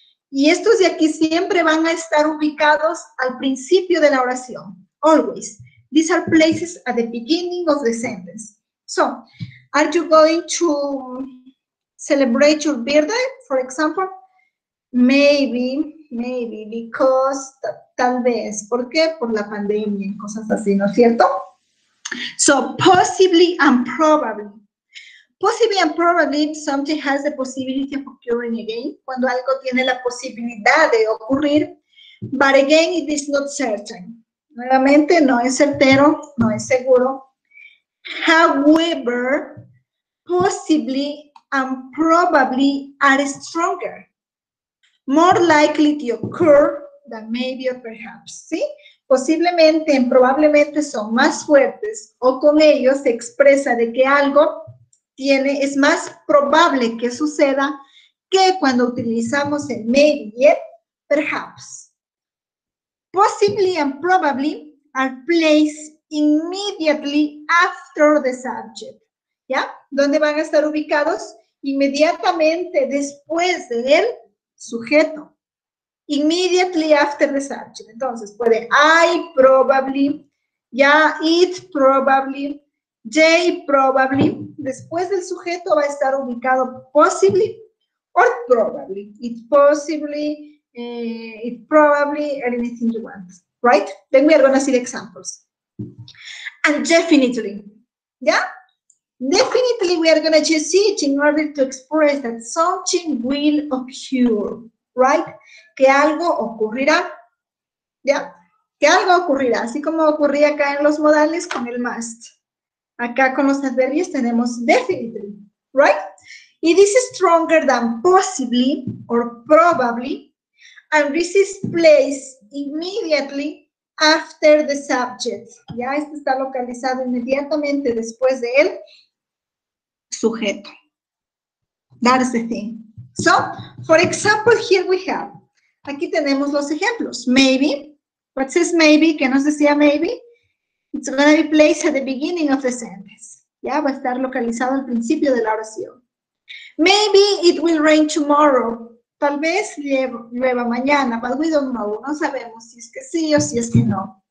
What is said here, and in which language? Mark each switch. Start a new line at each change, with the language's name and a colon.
Spanish: Y estos de aquí siempre van a estar ubicados al principio de la oración.
English: Always. These are places at the beginning of the sentence. So, are you going to celebrate your birthday, for example? Maybe, maybe, because,
Spanish: tal vez. ¿Por qué? Por la pandemia y cosas así, ¿no es cierto?
English: So, possibly and probably. Possibly and probably something has the possibility of occurring again,
Spanish: cuando algo tiene la posibilidad de ocurrir,
English: but again, it is not certain.
Spanish: Nuevamente, no es certero, no es seguro.
English: However, possibly and probably are stronger. More likely to occur than maybe or perhaps, ¿sí?
Spanish: Posiblemente y probablemente son más fuertes, o con ellos se expresa de que algo tiene, es más probable que suceda que cuando utilizamos el maybe, perhaps.
English: Possibly and probably are placed immediately after the subject.
Spanish: ¿Ya? ¿Dónde van a estar ubicados? Inmediatamente después del sujeto.
English: Immediately after the subject.
Spanish: Entonces puede
English: I probably, ya it probably, they probably,
Spanish: después del sujeto va a estar ubicado
English: possibly or probably. It possibly, it probably, anything you want, right? Then we are going to see the examples. And definitely, yeah? Definitely we are going to use it in order to express that something will occur, right?
Spanish: Que algo ocurrirá, yeah? Que algo ocurrirá, así como ocurría acá en los modales con el must. Acá con los adverbios tenemos definitely, right?
English: It is stronger than possibly or probably, and this is placed immediately after the subject.
Spanish: Ya, este está localizado inmediatamente después de el sujeto.
English: That is the thing. So, for example, here we have,
Spanish: aquí tenemos los ejemplos.
English: Maybe, what says maybe?
Spanish: ¿Qué nos decía
English: maybe? It's going to be placed at the beginning of the sentence.
Spanish: Ya, va a estar localizado al principio de la oración.
English: Maybe it will rain tomorrow.
Spanish: Tal vez llueva mañana,
English: but we don't know.
Spanish: No sabemos si es que sí o si es que no.